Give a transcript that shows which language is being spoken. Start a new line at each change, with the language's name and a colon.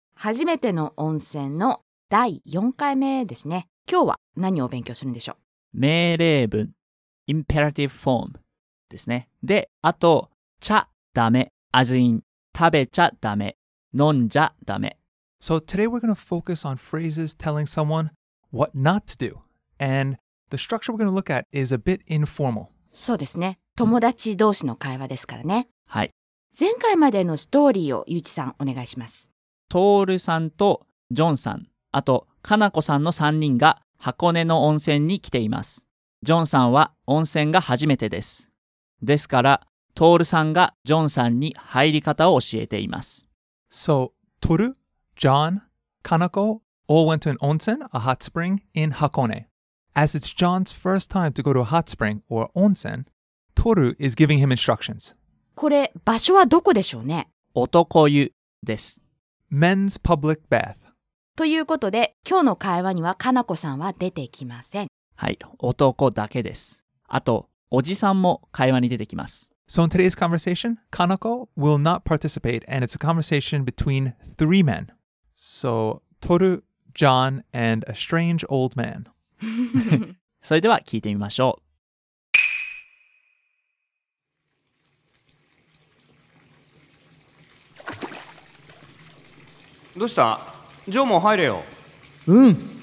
Japanese: 初めての温泉の第4回目ですね。今日は何を勉強するんでしょう？命令文
English: Imperative Form
Japanese: ですね。で、あと、ちゃダメ
English: As in
Japanese: 食べちゃダメ飲んじゃダメ。
English: So today we're going to focus on phrases telling someone what not to do. And the structure we're going to look at is a bit informal.
Japanese: そうですね。友達同士の会話ですからね。はい。前回までのストーリーをゆうちさんお願いします。トールさんとジョンさん、あとかなこさんの3人が箱根の温泉に来ています。ジョンさんは温泉が初めてです。ですから、トールさんがジョンさんに入り方を教えています。
English: So, トール、ジョン、かなこ、all went to an 温泉、a hot spring in 箱根。 As it's John's first time to go to a hot spring or 温泉、Toru is giving him instructions.
Japanese: これ場所はどこでしょうね。男湯です。
English: Men's public bath.
Japanese: ということで、今日の会話にはかなこさんは出てきません。はい、男だけです。あと、おじさんも会話に出てきます。
English: So in today's conversation, Kanako will not participate and it's a conversation between three men. So, Toru, John, and a strange old man.
Japanese: それでは聞いてみましょう。どうした？ジョーも入れよ。うん。